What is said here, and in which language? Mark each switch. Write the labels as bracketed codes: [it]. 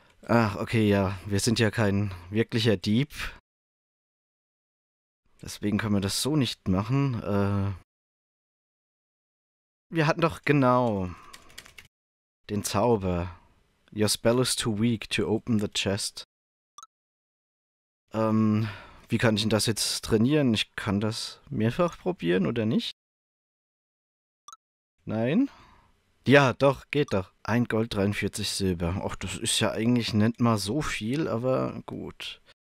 [de] Ach, okay, ja. Wir sind ja kein wirklicher Dieb. Deswegen können wir das so nicht machen. Wir hatten doch genau den Zauber. [en] Your spell is too weak to open the chest. [de] Wie kann ich denn das jetzt trainieren? Ich kann das mehrfach probieren, oder nicht? Nein? Ja, doch, geht doch. Ein Gold, 43 Silber. Och, das ist ja eigentlich nicht mal so viel, aber gut.